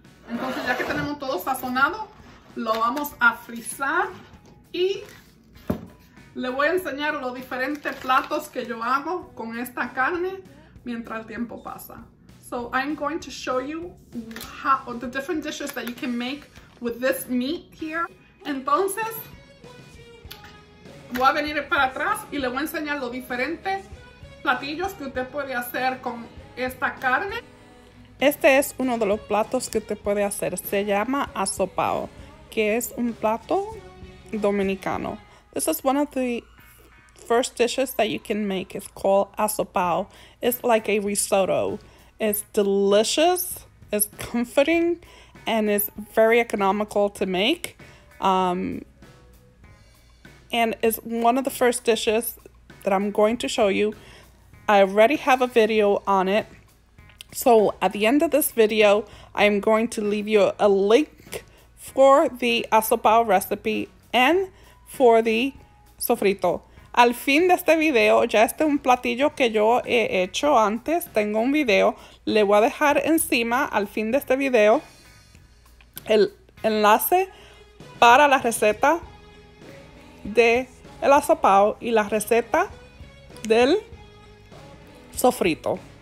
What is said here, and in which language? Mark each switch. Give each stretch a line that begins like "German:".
Spanish: Entonces ya que tenemos todo sazonado, lo vamos a frizar y le voy a enseñar los diferentes platos que yo hago con esta carne mientras el tiempo pasa.
English: So I'm going to show you how the different dishes that you can make with this meat here.
Spanish: Entonces, voy a venir para atrás y le voy a enseñar los diferentes platillos que usted puede hacer con esta carne. Este es uno de los platos que usted puede hacer. Se llama asopao, que es un plato dominicano.
English: This is one of the first dishes that you can make. It's called asopao. It's like a risotto. It's delicious, it's comforting, and it's very economical to make. And it's one of the first dishes that I'm going to show you. I already have a video on it. So at the end of this video, I'm going to leave you a link for the asopao recipe and for the sofrito.
Spanish: Al fin de este video, ya este es un platillo que yo he hecho antes. Tengo un video. Le voy a dejar encima, al fin de este video, el enlace para la receta de el asopao y la receta del sofrito.